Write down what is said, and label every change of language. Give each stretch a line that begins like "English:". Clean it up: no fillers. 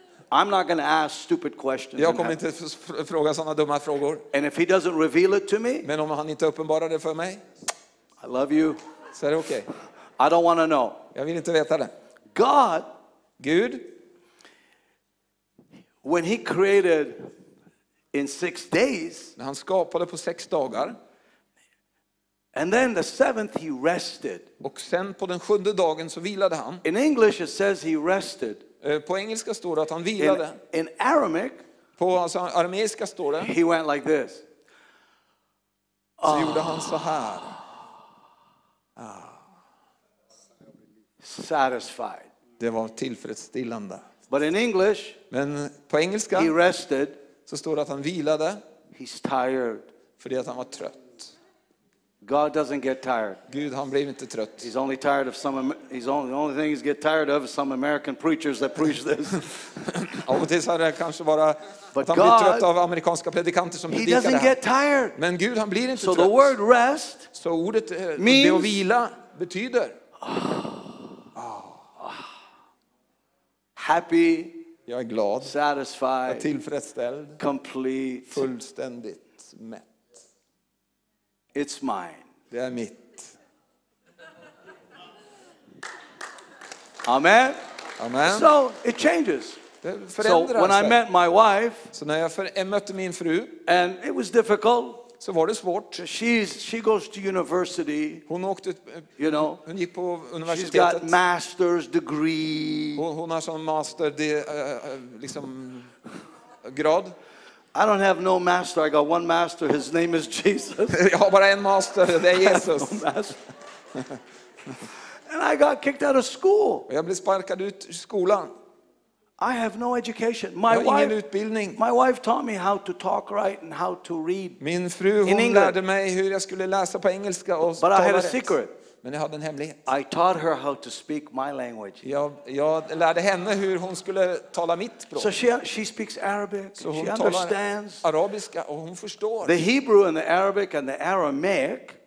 English: I'm not going to ask stupid questions.
Swedish: Jag kommer inte fråga såna dumma frågor.
English: And if he doesn't reveal it to me?
Swedish: Men om han inte uppenbarar det för mig?
English: I love you.
Swedish: Så är det okej.
English: I don't want to know.
Swedish: Jag vill inte veta det.
English: God,
Swedish: Gud,
English: when he created in 6 days,
Swedish: när han skapade på 6 dagar,
English: And then the seventh he rested.
Swedish: Och sen på den sjunde dagen så vilade han.
English: In English it says he rested.
Swedish: På engelska står det att han vilade.
English: In Aramaic,
Swedish: på arameiska står det.
English: He went like this.
Swedish: Så gjorde han så här.
English: Satisfied.
Swedish: Det var tillfredsställande.
English: But in English,
Swedish: men på engelska,
English: he rested.
Swedish: Så står det att han vilade.
English: He's tired.
Swedish: För det att han var trött.
English: God doesn't get tired.
Swedish: Gud, han blev inte trött.
English: He's only tired of some. He's only the only thing he's get tired of is some American preachers that preach this.
Swedish: Och det så här kanske bara. But han blir trött av amerikanska predikanter som predikar det.
English: He doesn't get tired.
Swedish: Men Gud, han blir inte trött.
English: So the word rest.
Swedish: Så ordet det att vila betyder.
English: Happy.
Swedish: Jag är glad.
English: Satisfied.
Swedish: Jag är tillfredsställd.
English: Complete.
Swedish: Fullständigt mätt.
English: It's mine.
Swedish: Det är mitt.
English: Amen.
Swedish: Amen.
English: So it changes.
Swedish: Det förändras.
English: So when I met my wife,
Swedish: så när jag mötte min fru,
English: and it was difficult.
Swedish: Så var det svårt.
English: She goes to university.
Swedish: Hon åkte,
English: you know.
Swedish: Hon gick på universitetet.
English: She's got master's degree.
Swedish: Hon har som master det liksom grad.
English: I don't have no master. I got one master. His name is Jesus.
Swedish: Jag har bara en master. Det är Jesus.
English: And I got kicked out of school.
Swedish: Jag blev sparkad ut skolan.
English: I have no education. My wife.
Swedish: Ingen utbildning.
English: My wife taught me how to talk right and how to read.
Swedish: Min fru, hon lärde mig hur jag skulle läsa på engelska och tala.
English: But I had a secret.
Swedish: Men jag hade en hemlighet.
English: I taught her how to speak my language.
Swedish: Jag lärde henne hur hon skulle tala mitt språk.
English: So she speaks Arabic. So she understands.
Swedish: Arabiska och hon förstår.
English: The Hebrew and the Arabic and the Aramaic.